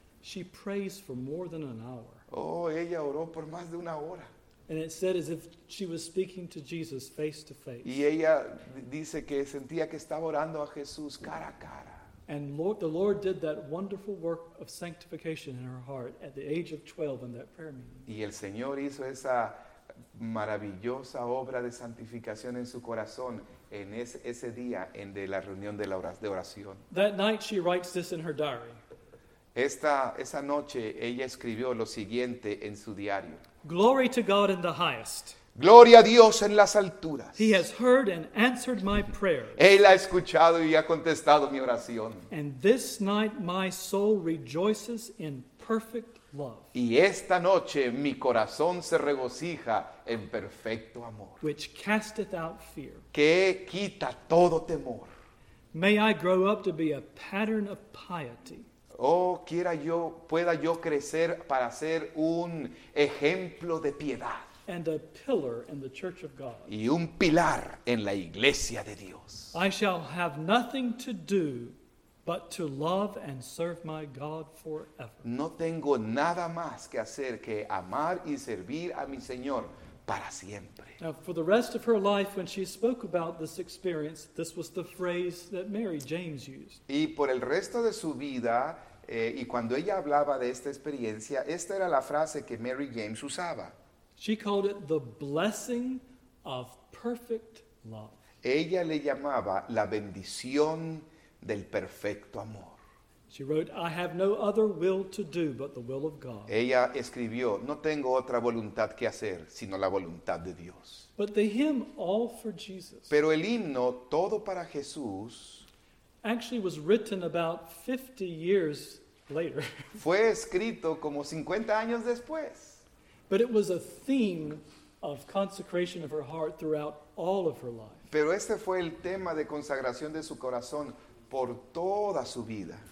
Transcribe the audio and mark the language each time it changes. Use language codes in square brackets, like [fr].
[en] She prays for more than an hour. [es] Oh, ella oró por más de una hora. [en] And it said as if she was speaking to Jesus face to face. [es] Y ella dice que sentía que estaba orando a Jesús cara a cara. [en] And Lord, the Lord did that wonderful work of sanctification in her heart at the age of 12 in that prayer meeting. [es] Y el Señor hizo esa maravillosa obra de santificación en su corazón en ese día en de la reunión de oración. [en] That night she writes this in her diary. [es] Esa noche ella escribió lo siguiente en su diario. [en] Glory to God in the highest. [es] Gloria a Dios en las alturas. [en] He has heard and answered my prayer. [es] Él ha escuchado y ha contestado mi oración. [en] And this night my soul rejoices in perfect love. [es] Y esta noche mi corazón se regocija en perfecto amor. [en] Which casteth out fear. [es] Que quita todo temor. [en] May I grow up to be a pattern of piety. [es] Oh, quiera yo, pueda yo crecer para ser un ejemplo de piedad. [en] And a pillar in the church of God. [es] Y un pilar en la iglesia de Dios. [en] I shall have nothing to do but to love and serve my God forever. [es] No tengo nada más que hacer que amar y servir a mi Señor para siempre. [en] Now, for the rest of her life, when she spoke about this experience, this was the phrase that Mary James used. [es] Y por el resto de su vida, y cuando ella hablaba de esta experiencia, esta era la frase que Mary James usaba. [en] She called it the blessing of perfect love. [es] Ella le llamaba la bendición del perfecto amor. [en] She wrote, I have no other will to do but the will of God. [es] Ella escribió, no tengo otra voluntad que hacer, sino la voluntad de Dios. [en] But the hymn, All for Jesus. [es] Pero el himno, Todo para Jesús. [en] Actually was written about 50 years later. [es] Fue escrito como 50 años después. [en] But it was a theme of consecration of her heart throughout all of her life. [es] Pero este fue el tema de consagración de su corazón por toda su vida.